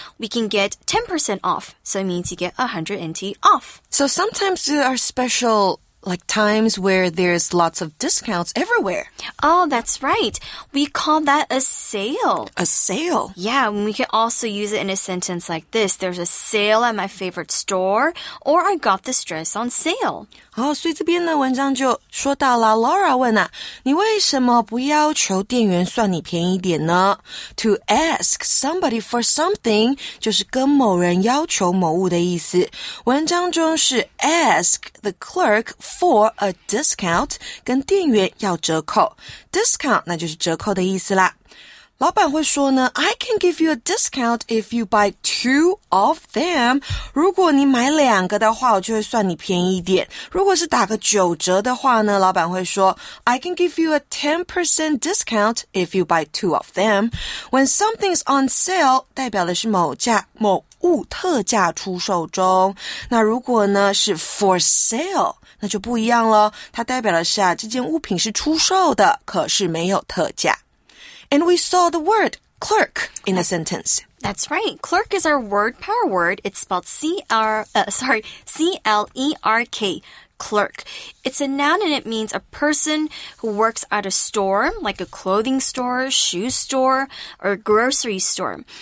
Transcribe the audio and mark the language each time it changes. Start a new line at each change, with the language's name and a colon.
English: We can get 10% off. So, it means you get 100 NT off. So, sometimes there are special... like times where there's lots of discounts everywhere. Oh, that's right. We call that a sale. A sale? Yeah, and we can also use it in a sentence like this. There's a sale at my favorite store, or I got this dress on sale.
Chinese: 好，所以这边的文章就说到了 Laura 问啊，你为什么不要求店员算你便宜点呢？
English: To ask somebody for something
Chinese: 就是跟某人要求某物的意思。文章中是
English: ask the clerk for a discount
Chinese: 跟店员要折扣。 Discount 那就是折扣的意思啦。老板会说呢
English: I can give you a discount if you buy two of them.
Chinese: 如果你买两个的话我就会算你便宜一点。如果是打个九折的话呢老板会说
English: I can give you a 10% discount if you buy two of them. When something's on sale,
Chinese: 代表的是某价某物特价出售中。那如果呢是 for sale, 那就不一样咯。它代表的是啊这件物品是出售的可是没有特价。
English: And we saw the word clerk in a sentence. That's right. Clerk is our word, power word. It's spelled C-L-E-R-K, clerk. It's a noun and it means a person who works at a store, like a clothing store, shoe store, or grocery store.